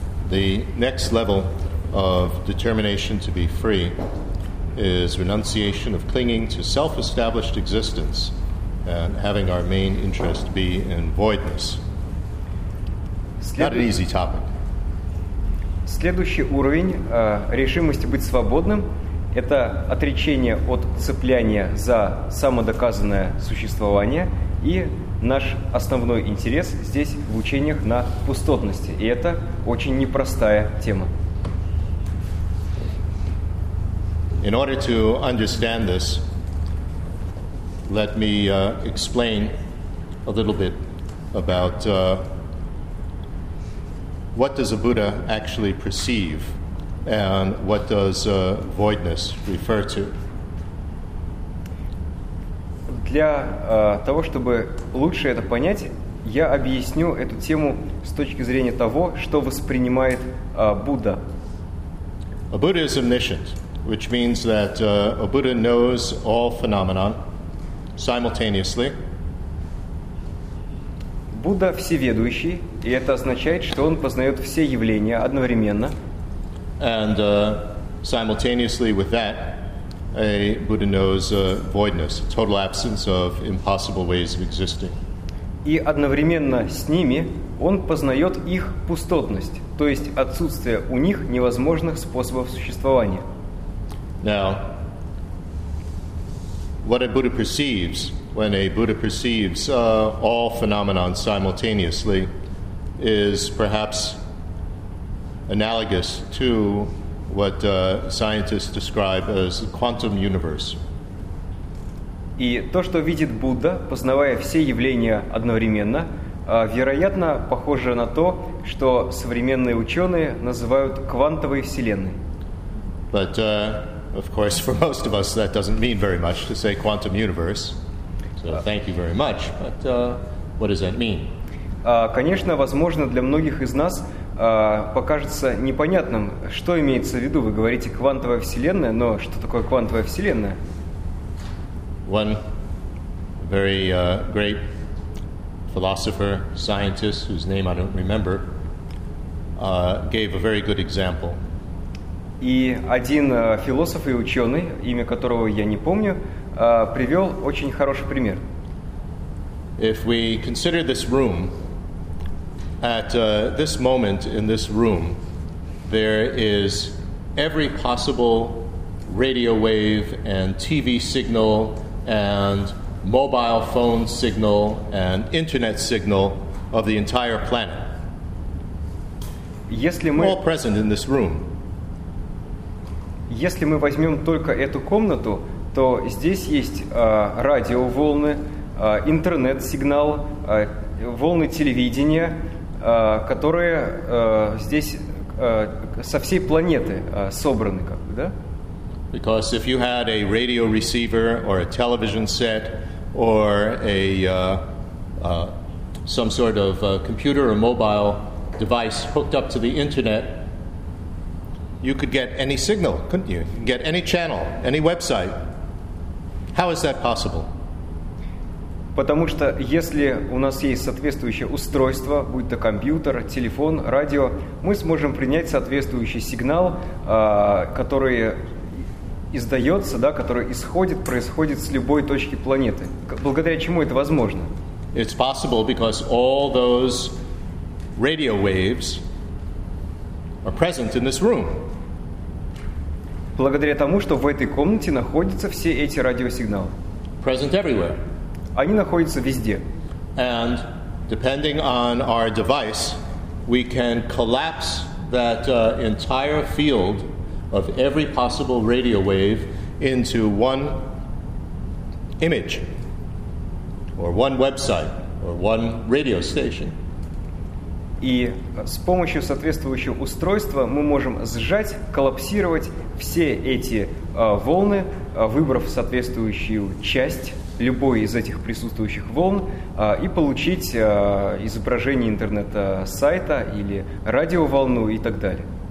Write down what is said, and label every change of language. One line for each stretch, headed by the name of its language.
English: The next level of determination to be free is renunciation of clinging to self-established existence and having our main interest be in voidness. Not an easy topic.
Russian: Следующий уровень решимости быть свободным – это отречение от цепляния за самодоказанное существование и наш основной интерес здесь в учениях на пустотности. И это очень непростая тема.
English: In order to understand this, let me explain a little bit about what does a Buddha actually perceive and what does voidness refer to.
Russian: Для того, чтобы лучше это понять, я объясню эту тему с точки зрения того, что воспринимает Будда.
English: A Buddha is omniscient, which means that a Buddha knows all phenomena simultaneously.
Russian: Будда всеведущий, и это означает, что он познает все явления одновременно.
English: And simultaneously with that, a Buddha knows voidness, total absence of impossible ways of existing.
Russian: И одновременно с ними он познает их пустотность, то есть отсутствие у них невозможных способов существования.
English: Now, what a Buddha perceives when a Buddha perceives all phenomena simultaneously is perhaps analogous to what scientists describe as the quantum universe.
Russian: И то, что видит Будда, познавая все явления одновременно, вероятно, похоже на то, что современные ученые называют квантовой вселенной.
English: But of course, for most of us, that doesn't mean very much to say quantum universe. So thank you very much. But what does that mean?
Russian: Конечно, возможно, для многих из нас покажется непонятным, что имеется в виду. Вы говорите квантовая вселенная, но что такое квантовая вселенная?
English: One very great philosopher, scientist, whose name I don't remember, gave a very good example.
Russian: И один философ и ученый, имя которого я не помню, привел очень хороший пример.
English: If we consider this room, at this moment in this room, there is every possible radio wave and TV signal and mobile phone signal and internet signal of the entire planet.
Russian: Если мы...
English: All present in this room.
Russian: Если мы возьмем только эту комнату, то здесь есть радиоволны, интернет-сигнал, волны телевидения, которые здесь со всей планеты собраны, как бы, да?
English: Because if you had a radio receiver or a television set or a some sort of computer or mobile device hooked up to the internet, you could get any signal, couldn't you? You could get any channel, any website. How is that possible?
Russian: Потому что если у нас есть соответствующее устройство, будь то компьютер, телефон, радио, мы сможем принять соответствующий сигнал, который издается, да, который исходит, происходит с любой точки планеты. Благодаря чему это возможно?
English: It's possible because all those radio waves are present in this room.
Russian: Благодаря тому, что в этой комнате находятся все эти радиосигналы.
English: Present everywhere.
Russian: Они находятся везде.
English: And depending on our device, we can collapse that entire field of every possible radio wave into one image, or one website, or one radio station.
Russian: И с помощью соответствующего устройства мы можем сжать, коллапсировать все эти волны, выбрав соответствующую часть любой из этих присутствующих волн, и получить изображение интернета сайта или радиоволну и так далее.